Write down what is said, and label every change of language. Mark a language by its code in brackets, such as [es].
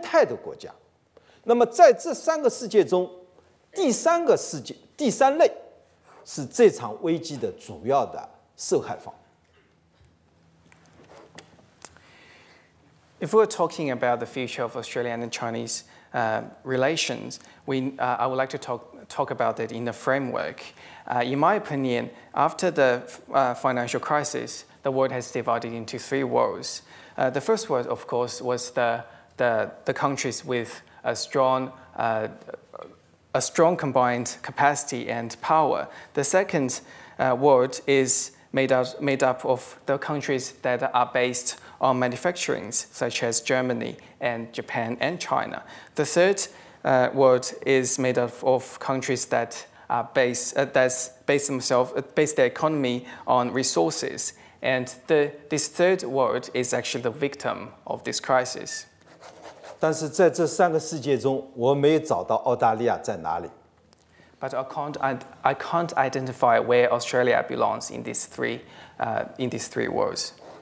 [zh] 这个世界已经分成三个类型的三个世界。第一个三个世界，就经过这场金融危机以后，拥有综合国力的，它依然是第一世界；第二世界是制造类的国家，德国、日本、中国；第三类，第三世界是以资源为主的，产业结构偏态的国家。那么在这三个世界中， 第三个世界，第三类，是这场危机的主要的受害方。 [en] If we're talking about the future of Australian and Chinese relations, I would like to talk talk about it in the framework. In my opinion, after the financial crisis, the world has divided into three worlds. The first world, of course, was the countries with a strong combined capacity and power. The second world is made up of the countries that are based on manufacturing, such as Germany and Japan and China. The third world is made up of countries that are based their economy on resources. And this third world is actually the victim of this crisis. [zh] 但是在这三个世界中，我没有找到澳大利亚在哪里。 [en] But I can't identify where Australia belongs in these three worlds.